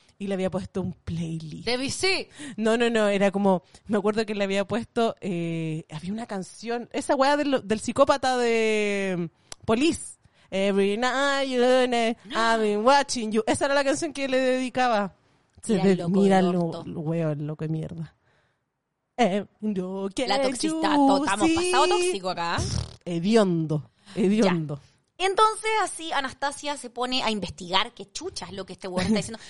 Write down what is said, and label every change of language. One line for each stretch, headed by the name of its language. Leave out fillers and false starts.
Spanish: Y le había puesto un playlist. ¿De BC? No, era como, me acuerdo que le había puesto, había una canción, esa wea del psicópata de Police.
English: Every night you know, I've been watching you.
Spanish: Esa era la canción que le dedicaba. Mira el loco de mierda. La toxicidad, estamos pasado tóxico acá. Hediondo. Entonces, así Anastasia se pone a investigar qué chucha es lo que este weón está diciendo.